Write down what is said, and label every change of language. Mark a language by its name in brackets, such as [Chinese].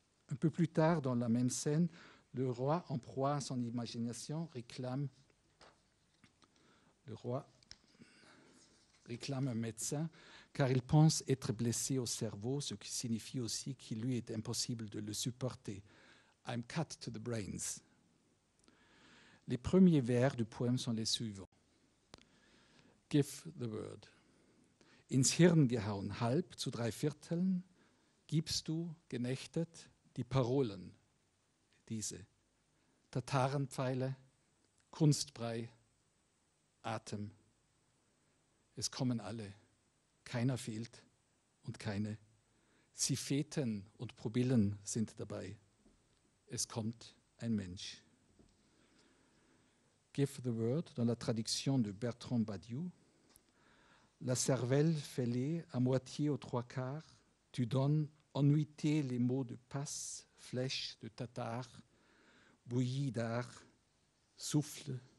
[French] Un peu plus tard, dans la même scène, le roi, en proie à son imagination, réclame un médecin car il pense être blessé au cerveau, ce qui signifie aussi qu'il lui est impossible de le supporter. [English] I'm cut to the brains. [French] Les premiers vers du poème sont les suivants. [English] Give the word. [German] Ins Hirn gehauen, halb zu drei Vierteln, gibst du genächtet, die Parolen, diese, Tatarenpfeile, Kunstbrei, Atem. Es kommen alle, keiner fehlt und keine. Sie feten und probillen sind dabei. Es kommt ein Mensch. [English] Give the word, [French] dans la traduction de Bertrand Badiou, la cervelle fêlée à moitié aux trois quarts, tu donnes ennuité les mots de passe, flèche, de tatar, bouillie d'art, souffle.